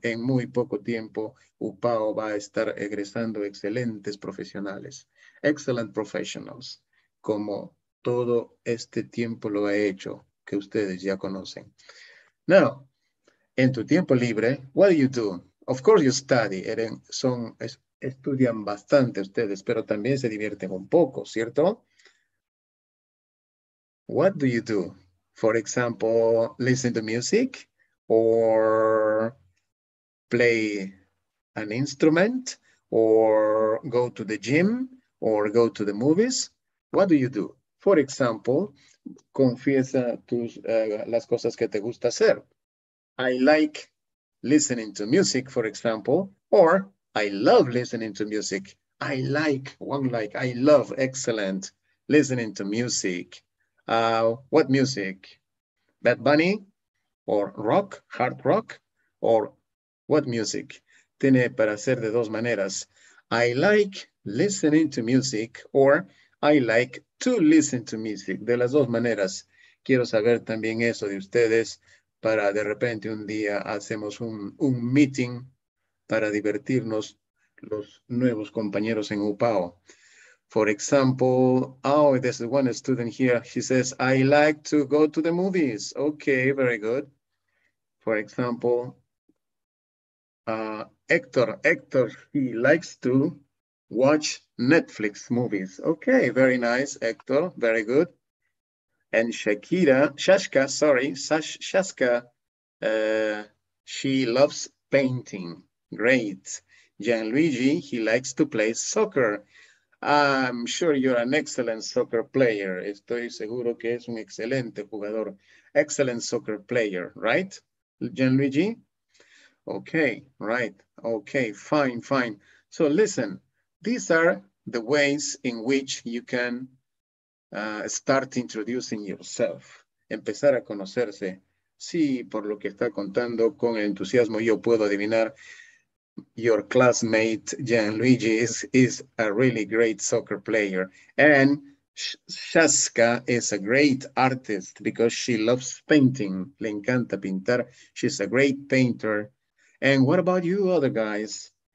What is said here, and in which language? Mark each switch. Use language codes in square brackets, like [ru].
[es] En muy poco tiempo, UPAO va a estar egresando excelentes profesionales, [en] excellent professionals, [es] como todo este tiempo lo ha hecho, que ustedes ya conocen. [en] Now, [es] en tu tiempo libre, [en] what do you do? Of course, you study. [es] Estudian bastante ustedes, pero también se divierten un poco, ¿cierto? [en] What do you do? For example, listen to music or play an instrument or go to the gym or go to the movies. What do you do? For example, [es] confiesa las cosas que te gusta hacer. [en] I like listening to music, for example, or I love listening to music. I like, one like, I love, excellent, listening to music. What music? Bad Bunny? Or rock, hard rock? Or what music? [es] Tiene para hacer de dos maneras. [en] I like listening to music, or I like to listen to music. [es] De las dos maneras. Quiero saber también eso de ustedes para de repente un día hacemos un meeting para divertirnos los nuevos compañeros en UPAO. [en] For example, oh, there's one student here. He says, I like to go to the movies. Okay, very good. For example, Hector, he likes to watch Netflix movies. Okay, very nice, Hector, very good. And Shaska, she loves painting. Great. Gianluigi, he likes to play soccer. I'm sure you're an excellent soccer player. [es] Estoy seguro que es un excelente jugador. [en] Excellent soccer player, right? [es] Gianluigi? [en] Okay, right. Okay, fine, fine. So listen, these are the ways in which you can start introducing yourself. [es] Empezar a conocerse. Sí, por lo que está contando, con entusiasmo yo puedo adivinar. [en] Your classmate Gianluigi is a really great soccer player. And Shaska is a great artist because she loves painting. [es] Le encanta pintar. [en] She's a great painter. And what about you other guys?